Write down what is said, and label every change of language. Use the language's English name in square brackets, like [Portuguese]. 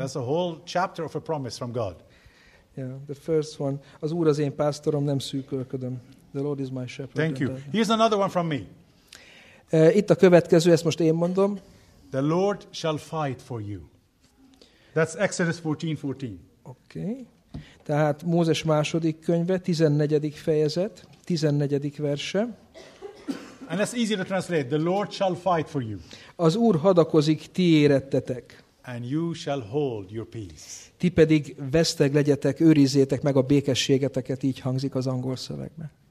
[English] That's a whole chapter of a promise from God. Yeah, the first one. [Hungarian] Az Úr az én pásztorom, nem szűkölködöm. [English] The Lord is my shepherd. Thank you. Here's another one from me. [Hungarian] Itt a következő, ezt most én mondom. [English] The Lord shall fight for you. That's Exodus 14:14. Okay. [Hungarian] Tehát Mózes második könyve, 14. fejezet, 14. verse. [English] And that's easy to translate. The Lord shall fight for you. [Hungarian] Az Úr hadakozik ti érettetek. [English] And you shall hold your peace. [Hungarian] Ti pedig veszteg legyetek, őrizzétek meg a békességeteket, így hangzik az angol szövegben.